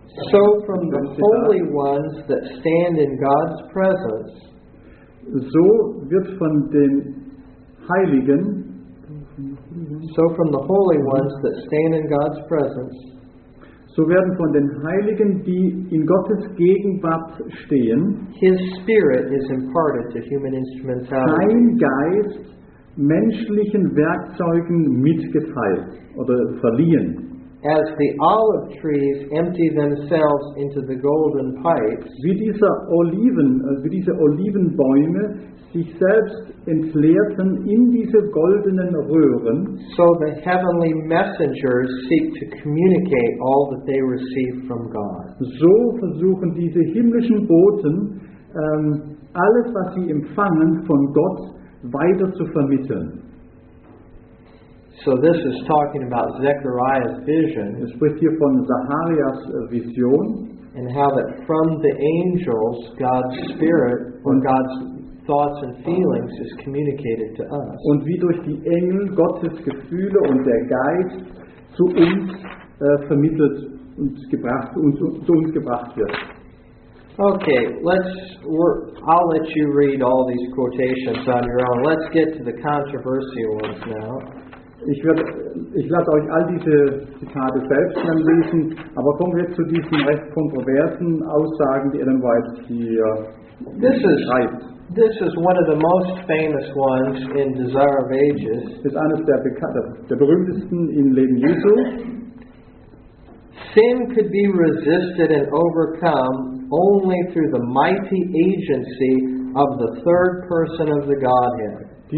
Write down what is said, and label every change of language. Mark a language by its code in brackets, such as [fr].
[en] So from the holy ones that stand in God's presence. [de] So wird von den Heiligen, [en] so from the holy ones that stand in God's presence, [de] so werden von den Heiligen, die in Gottes Gegenwart stehen, [en] His Spirit is imparted to human instrumentality. [de] Sein Geist menschlichen Werkzeugen mitgeteilt oder verliehen. [en] As the olive trees empty themselves into the golden pipes, [de] wie diese Olivenbäume sich selbst entleerten in diese goldenen Röhren, [en] so the heavenly messengers seek to communicate all that they receive from God. [de] So versuchen diese himmlischen Boten alles, was sie empfangen von Gott, weiter zu vermitteln. [en] So this is talking about Zechariah's vision. [de] Es spricht hier von Zacharias Vision. [en] And how that from the angels, God's Spirit, or God's thoughts and feelings is communicated to us. [de] Und wie durch die Engel Gottes Gefühle und der Geist zu uns vermittelt und gebracht und zu uns gebracht wird. [en] Okay, I'll let you read all these quotations on your own. Let's get to the controversial ones now. [de] Ich lasse euch all diese Zitate selbst dann lesen, aber kommen wir jetzt zu diesen recht kontroversen Aussagen, die Ellen White hier schreibt. [en] This is one of the most famous ones in Desire of Ages. [de] Das ist eines der berühmtesten in Leben Jesu. [en] Sin could be resisted and overcome only through the mighty agency of the third person of the Godhead.